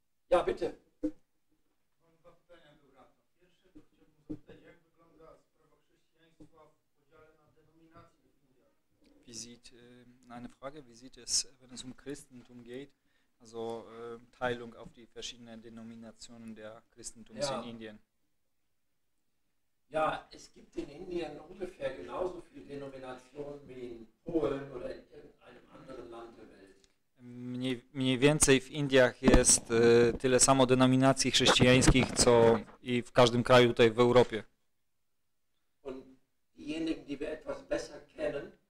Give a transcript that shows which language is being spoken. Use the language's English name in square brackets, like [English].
[German] Ja, bitte. [Polish] Mam dwa pytania do brata. Pierwsze, to chciałbym zapytać, jak wygląda sprawa chrześcijaństwa w podziale na denominacje w Indiach? [German] Wie sieht es, wenn es um Christentum geht? Also Teilung auf die verschiedenen Denominationen der Christentums in Indien. Ja, es gibt in Indien ungefähr genauso viele Denominationen wie in Polen oder in irgendeinem anderen Land der Welt. [Polish] Mniej więcej w Indiach jest tyle samo denominacji chrześcijańskich, co i w każdym kraju tutaj w Europie. [German] Und diejenigen, die wir etwas besser kennen,